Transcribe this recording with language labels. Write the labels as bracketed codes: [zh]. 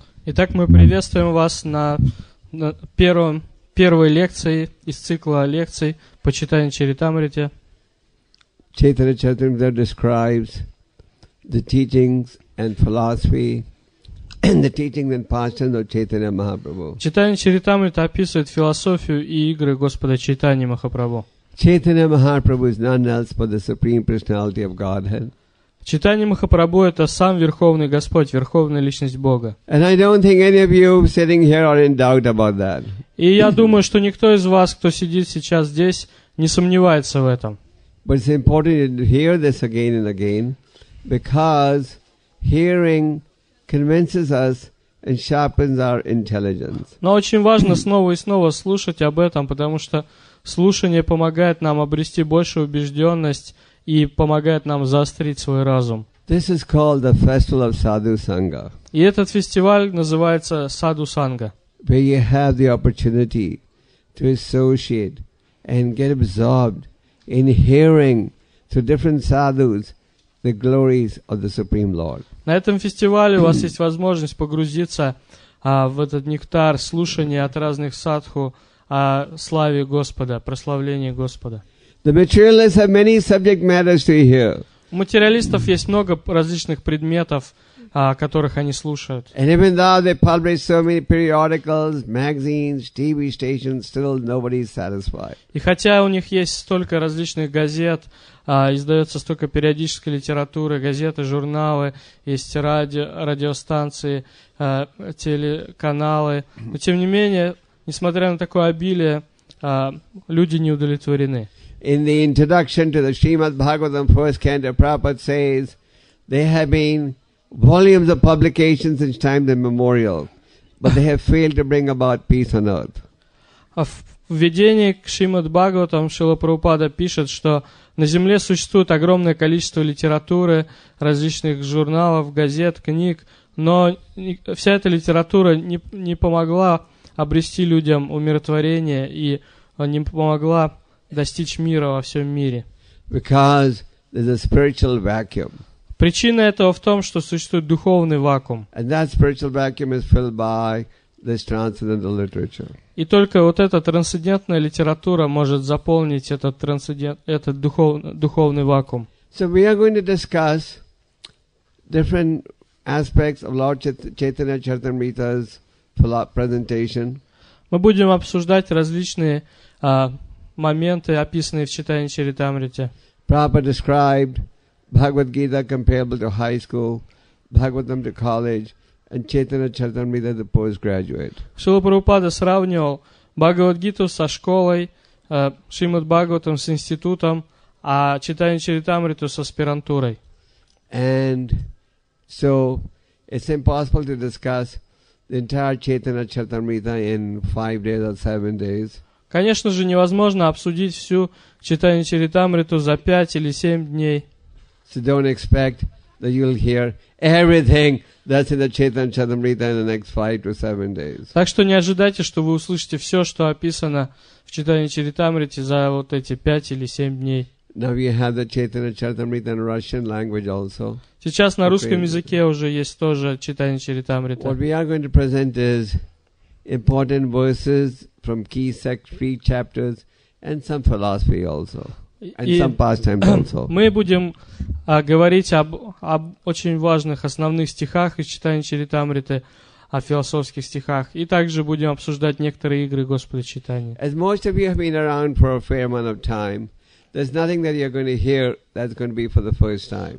[ru] Итак, мы приветствуем вас на первой лекции из цикла лекций по Чайтанья Чаритамрите. [en] Chaitanya Charitamrita describes the teachings and philosophy and the teachings and pastimes of Chaitanya Mahaprabhu. [ru] Чайтанья Чаритамрита описывает философию и игры Господа Чайтаньи Махапрабху. [en] Chaitanya Mahaprabhu is none else but the Supreme Personality of Godhead. [ru] Chaitanya Mahaprabhu – это сам Верховный Господь, Верховная Личность Бога. [en] And I don't think any of you sitting here are in doubt about that. [ru] И я думаю, что никто из вас, кто сидит сейчас здесь, не сомневается в этом. [en] But it's important to hear this again and again, because hearing convinces us and sharpens our intelligence. [ru] Но очень важно снова и снова слушать об этом, потому что слушание помогает нам обрести большую убежденность и помогает нам заострить свой разум. [en] This is called the Festival of Sadhu Sangha. [ru] И этот фестиваль называется Sadhu Sangha. [en] Where you have the opportunity to associate and get absorbed in hearing through different sadhus the glories of the Supreme Lord. [ru] На этом фестивале у вас есть возможность погрузиться в этот нектар слушания от разных садху о славе Господа, прославлении Господа. [en] The materialists have many subject matters to hear. [ru] У материалистов есть много различных предметов, которых они слушают. [en] And even though they publish so many periodicals, magazines, TV stations, still nobody is satisfied. [ru] И хотя у них есть столько различных газет, издается столько периодической литературы, газеты, журналы, есть радиостанции, телеканалы, но тем не менее, несмотря на такое обилие, люди не удовлетворены. [en] In the introduction to the Srimad Bhagavatam, first canto, Prabhupada says, there have been volumes of publications since time immemorial, but they have failed to bring about peace on earth. [ru] В введении к Шримад Бхагаватам Шрила Прабхупада пишет, что на земле существует огромное количество литературы, различных журналов, газет, книг, но вся эта литература не помогла обрести людям умиротворение и не помогла достичь мира во всем мире. [en] Because there's a spiritual vacuum. [ru] Причина этого в том, что существует духовный вакуум. [en] And that spiritual vacuum is filled by this transcendental literature. [ru] И только вот эта трансцендентная литература может заполнить этот духовный вакуум. [en] So we are going to discuss different aspects of Lord Chaitanya Charitamrita's presentation. [ru] Мы будем обсуждать различные моменты, описанные в Чайтанья Чаритамрите. [en] Prabhupada described Bhagavad Gita comparable to high school, Bhagavatam to college, and Chaitanya Charitamrita the postgraduate. [ru] Шрила Прабхупада сравнивал Бхагавад Гиту со школой, Шримад Бхагаватам с институтом, а Чайтанья Чаритамриту с аспирантурой. [en] And so it's impossible to discuss the entire Chaitanya Charitamrita in 5 days or 7 days. [ru] Конечно же, невозможно обсудить всю Чайтанья Чаритамриту за 5 или 7 дней. [en] So don't expect that you'll hear everything that's in the Chaitanya Charitamrita in the next 5 to 7 days. [ru] Так что не ожидайте, что вы услышите все, что описано в Чайтанья Чаритамрите за вот эти 5 или 7 дней. [en] Now we have the Chaitanya Charitamrita in Russian language also. [ru] Сейчас на русском языке уже есть тоже Чайтанья Чаритамрита. [en] What we are going to present is important verses from key three chapters and some philosophy also, and some pastimes also. [ru] Мы будем говорить об очень важных основных стихах из Чайтанья Чаритамриты, о философских стихах, и также будем обсуждать некоторые игры Господа Чайтаньи. [en] As most of you have been around for a fair amount of time, there's nothing that you're going to hear that's going to be for the first time.